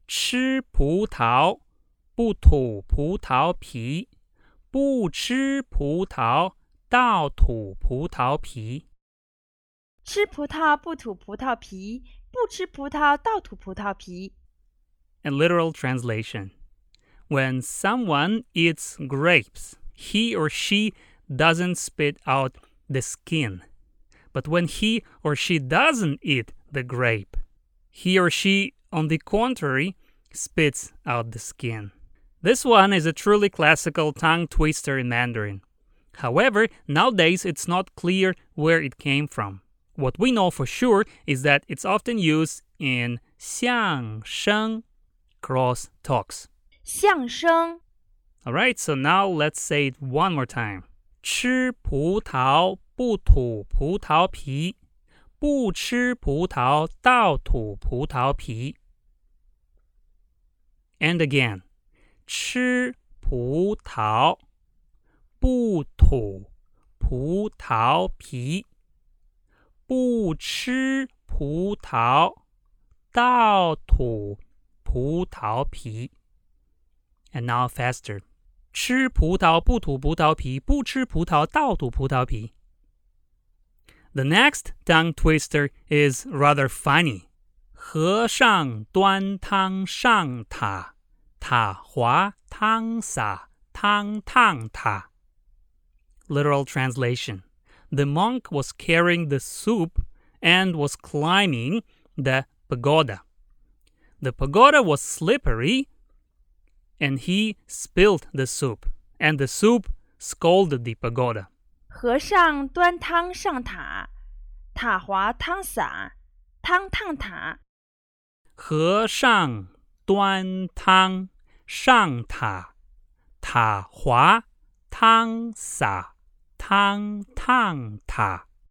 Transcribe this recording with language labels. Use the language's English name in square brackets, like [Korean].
[Chinese] 吃葡萄不吐葡萄皮，不吃葡萄倒吐葡萄皮。吃葡萄不吐葡萄皮，不吃葡萄倒吐葡萄皮。 [English] A literal translation. When someone eats grapes, he or she doesn't spit out the skin. But when he or she doesn't eat the grape, he or she, on the contrary, spits out the skin. This one is a truly classical tongue twister in Mandarin. However, nowadays it's not clear where it came from. What we know for sure is that it's often used in 相声, cross talks. [Chinese] 相声. [English] All right, so now let's say it one more time. [Chinese] 吃葡萄不吐葡萄皮，不吃葡萄倒吐葡萄皮。 [English] And again. [Chinese] 吃葡萄不吐葡萄皮。不吃葡萄，倒吐葡萄皮。 [English] And now faster. [Chinese] 吃葡萄不吐葡萄皮，不吃葡萄倒吐葡萄皮。 [English] The next tongue twister is rather funny. [Chinese] 和尚端汤上塔，塔滑汤洒，汤烫塔。 [English] Literal translation. The monk was carrying the soup and was climbing the pagoda. The pagoda was slippery and he spilled the soup. And the soup scalded the pagoda. [Chinese] 和尚端汤上塔，塔滑汤洒，汤烫塔。和尚端汤上塔，塔滑汤洒，汤烫塔。